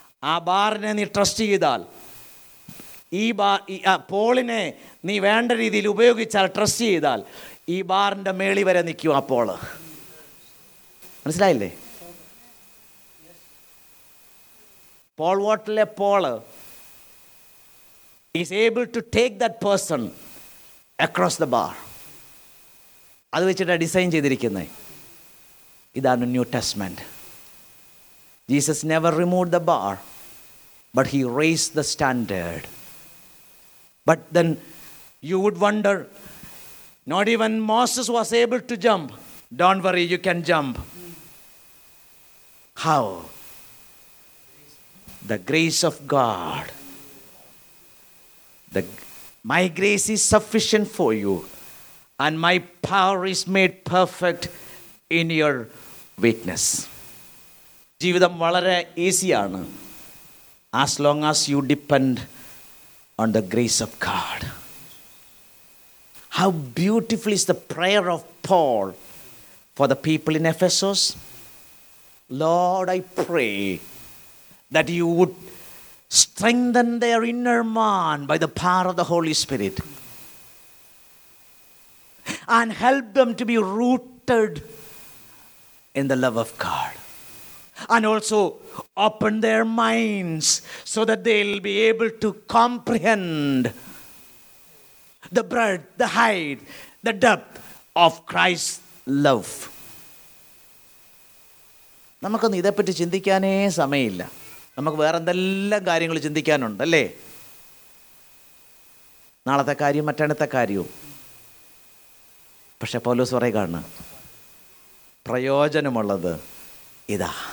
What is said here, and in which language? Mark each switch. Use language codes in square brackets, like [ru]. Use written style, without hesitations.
[ml] ആ ബാറിനെ നീ ട്രസ്റ്റ് ചെയ്താൽ, ഈ ബാർ പോളിനെ നീ വേണ്ട രീതിയിൽ ഉപയോഗിച്ചാൽ, ട്രസ്റ്റ് ചെയ്താൽ ഈ ബാറിൻ്റെ മേളി വരെ നിൽക്കും ആ പോള്. മനസ്സിലായില്ലേ? [en] Pole വാട്ടിലെ pole is able to take that person across the bar. [ml] അത് വെച്ചിട്ടാണ് ഡിസൈൻ ചെയ്തിരിക്കുന്നത്. ഇതാണ് new testament. [en] Jesus never removed the bar, but he raised the standard. But then you would wonder, not even Moses was able to jump. Don't worry, you can jump. How? The grace of God. My grace is sufficient for you, and my power is made perfect in your weakness. [ml] ജീവിതം വളരെ ഈസിയാണ്. [en] As long as you depend on the grace of God. How beautiful is the prayer of Paul for the people in Ephesus. Lord, I pray that you would strengthen their inner man by the power of the Holy Spirit and help them to be rooted in the love of God. And also open their minds so that they'll be able to comprehend the breadth, the height, the depth of Christ's love. [ml] നമുക്ക് ഇതേപ്പറ്റി ചിന്തിക്കാനേ സമയമില്ല. നമുക്ക് വേറെ എന്തെല്ലാം കാര്യങ്ങൾ ചിന്തിക്കാനുണ്ട് അല്ലേ? നാളത്തെ കാര്യം, മറ്റന്നത്തെ കാര്യവും. പക്ഷെ പൗലോസ് പറയുകയാണ്, പ്രയോജനമുള്ളത് ഇതാ.